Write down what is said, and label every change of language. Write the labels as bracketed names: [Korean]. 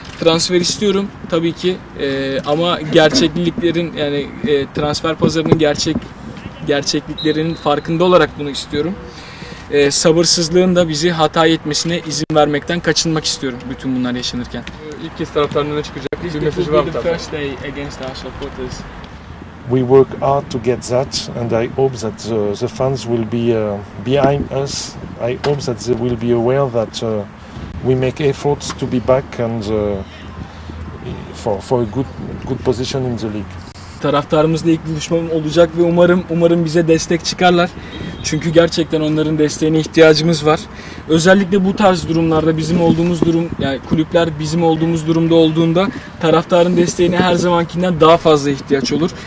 [Turkish] Transfer istiyorum tabii ki ama gerçekliliklerin yani transfer pazarının gerçekliklerinin farkında olarak bunu istiyorum. Sabırsızlığın da bizi hata etmesine izin vermekten kaçınmak istiyorum bütün bunlar yaşanırken. İlk kez taraftarlarına çıkacak bir mesaj var mı tabii? [English] First day against our supporters. We work hard to get that and I hope that the fans will be behind us. I hope that they will be aware that we make efforts to be back and for a good position in the league. [Turkish] Taraftarımızla ilk buluşmam olacak ve umarım bize destek çıkarlar. Çünkü gerçekten onların desteğine ihtiyacımız var. Özellikle bu tarz durumlarda bizim olduğumuz durum, yani kulüpler bizim olduğumuz durumda olduğunda taraftarın desteğine her zamankinden daha fazla ihtiyaç olur.